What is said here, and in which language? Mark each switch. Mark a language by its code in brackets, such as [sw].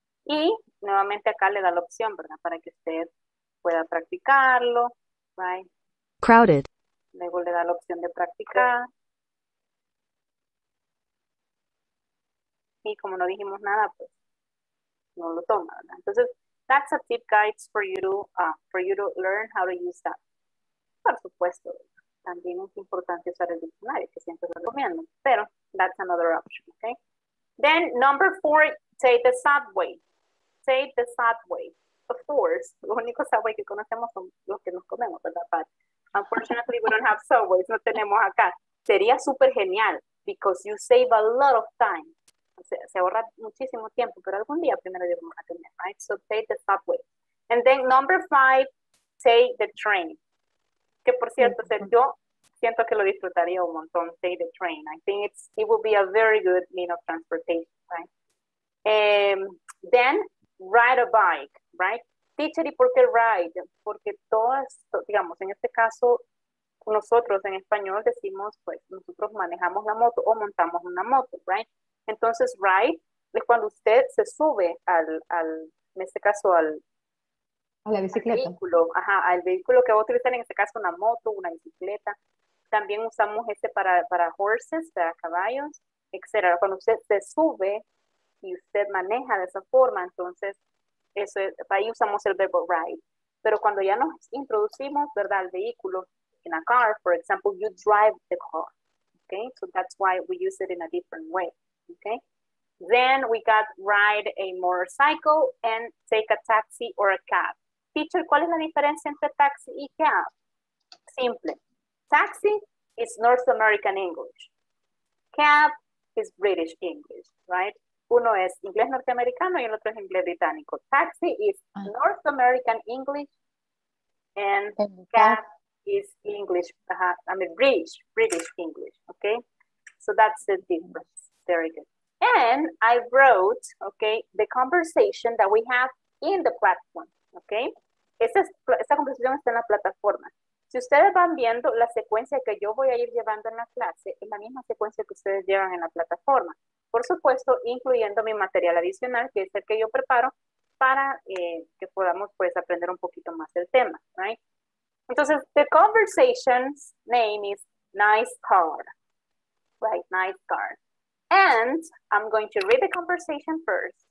[es] Y nuevamente acá le da la opción, ¿verdad? Para que usted pueda practicarlo, right? [en] Crowded. [es] Luego le da la opción de practicar. Y como no dijimos nada, pues no lo toma, ¿verdad? [en] Entonces, that's a tip, guys, for you to learn how to use that. [es] Por supuesto, también es importante usar el diccionario, que siempre lo recomiendo. [en] Pero that's another option, okay? Then, number four, take the subway. Take the subway. Of course, [es] los únicos subway que conocemos son los que nos comemos, ¿verdad, Pat? [en] Unfortunately, we don't have subways. [es] No tenemos acá. Sería súper genial [en] because you save a lot of time. Se ahorra muchísimo tiempo, pero algún día primero debemos tener, right? So take the subway. And then number five, take the train. [es] Que por cierto, [en] mm-hmm. [es] Yo siento que lo disfrutaría un montón, [en] take the train. I think it would be a very good means of transportation, right? Then ride a bike, right? Teacher, [es] ¿y por qué [en] ride? [es] Porque todas, digamos, en este caso, nosotros en español decimos, pues, nosotros manejamos la moto o montamos una moto, right? Entonces, ride es cuando usted se sube al vehículo. Ajá, al vehículo que va a utilizar, en este caso, una moto, una bicicleta. También usamos este para horses, para caballos, etc. Cuando usted se sube y usted maneja de esa forma, entonces, eso es, ahí usamos el verbo ride. Pero cuando ya nos introducimos, ¿verdad?, al vehículo, [en] in a car, for example, you drive the car. Okay, so that's why we use it in a different way. Okay, then we got ride a motorcycle and take a taxi or a cab. [es] Teacher, ¿cuál es la diferencia entre taxi y cab? Simple. [en] Taxi is North American English. Cab is British English, right? [es] Uno es inglés norteamericano y el otro es inglés británico. [en] Taxi is North American English and cab is English, British English, okay? So that's the difference. Very good. And I wrote, okay, the conversation that we have in the platform, okay? [es] Esta conversación está en la plataforma. Si ustedes van viendo la secuencia que yo voy a ir llevando en la clase, es la misma secuencia que ustedes llevan en la plataforma. Por supuesto, incluyendo mi material adicional, que es el que yo preparo para que podamos, pues, aprender un poquito más del tema, right? [en] Entonces, the conversation's name is Nice Car, right? Nice Car. And I'm going to read the conversation first.